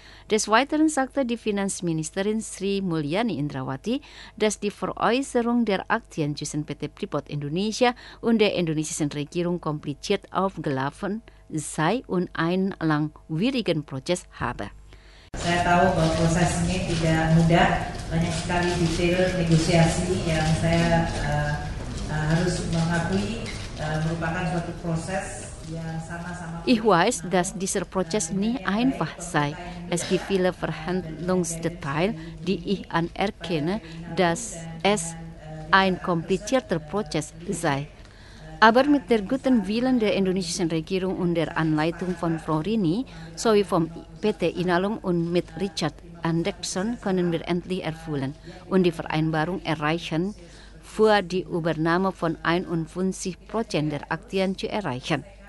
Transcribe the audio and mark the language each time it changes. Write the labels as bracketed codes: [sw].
[de] Des Weiteren sagte die Finanzministerin Sri Mulyani Indrawati, dass die Veräußerung der Aktien zwischen PT Freeport Indonesia und der indonesischen Regierung kompliziert aufgelaufen sei und einen langwierigen Prozess habe. [id] Saya tahu bahwa proses ini tidak mudah, banyak sekali detail negosiasi yang saya harus mengakui merupakan suatu proses. [de] Ich weiß, dass dieser Prozess nicht einfach sei. Es gibt viele Verhandlungsdetails, die ich anerkenne, dass es ein komplizierter Prozess sei. Aber mit der guten Willen der indonesischen Regierung und der Anleitung von Frau Rini sowie vom PT Inalum und mit Richard Andekson können wir endlich erfüllen und die Vereinbarung erreichen, für die Übernahme von 51% der Aktien zu erreichen.